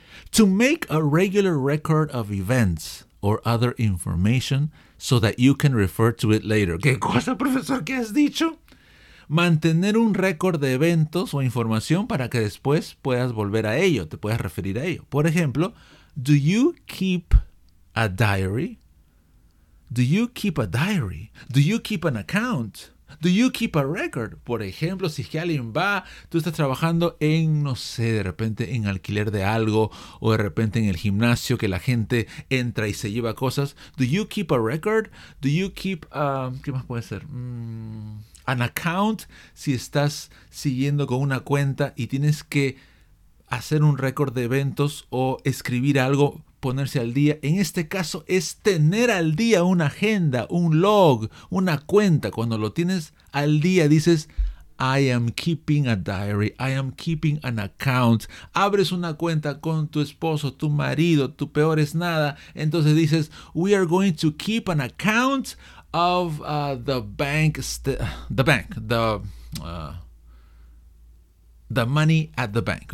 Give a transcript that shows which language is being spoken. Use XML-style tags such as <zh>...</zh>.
<en>To make a regular record of events or other information so that you can refer to it later.</en> <es>¿Qué cosa, profesor? ¿Qué has dicho? Mantener un récord de eventos o información para que después puedas volver a ello, te puedas referir a ello. Por ejemplo,</es> <en>do you keep a diary? Do you keep a diary? Do you keep an account? Do you keep a record?</en> <es>Por ejemplo, si es que alguien va, tú estás trabajando en, no sé, de repente en alquiler de algo o de repente en el gimnasio que la gente entra y se lleva cosas.</es> <en>Do you keep a record? Do you keep,</en> <es>¿qué más puede ser?</es> <en>An account,</en> <es>si estás siguiendo con una cuenta y tienes que hacer un récord de eventos o escribir algo, ponerse al día. En este caso es tener al día una agenda, un log, una cuenta. Cuando lo tienes al día dices,</es> <en>I am keeping a diary, I am keeping an account.</en> <es>Abres una cuenta con tu esposo, tu marido, tu peor es nada. Entonces dices,</es> <en>we are going to keep an account of the money at the bank.</en>